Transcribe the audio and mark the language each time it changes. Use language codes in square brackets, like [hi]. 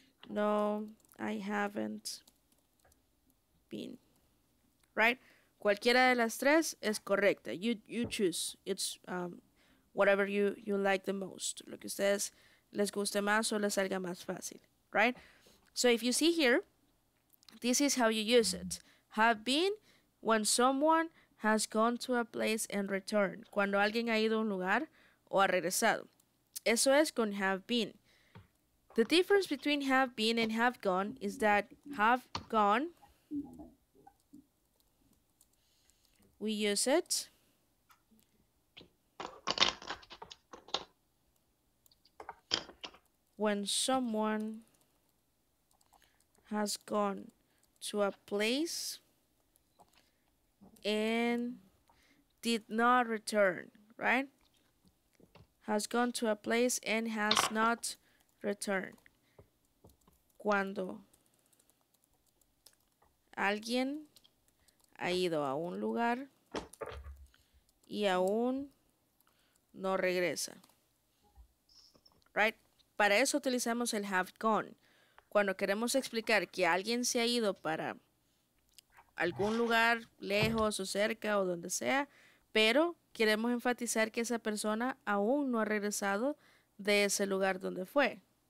[en] No, I haven't been. Right? [es] Cualquiera de las tres es correcta. [en] You choose. It's whatever you like the most. [es] Lo que ustedes les guste más o les salga más fácil. [en] Right? So if you see here, this is how you use it. Have been, when someone has gone to a place and returned. [es] Cuando alguien ha ido a un lugar o ha regresado. Eso es con have been. [en] The difference between have been and have gone is that have gone, we use it when someone has gone to a place and did not return, right? Has gone to a place and has not returned. [es] Cuando alguien ha ido a un lugar y aún no regresa. Right? Para eso utilizamos el have gone. Cuando queremos explicar que alguien se ha ido para algún lugar lejos o cerca o donde sea, pero queremos enfatizar que esa persona aún no ha regresado de ese lugar donde fue.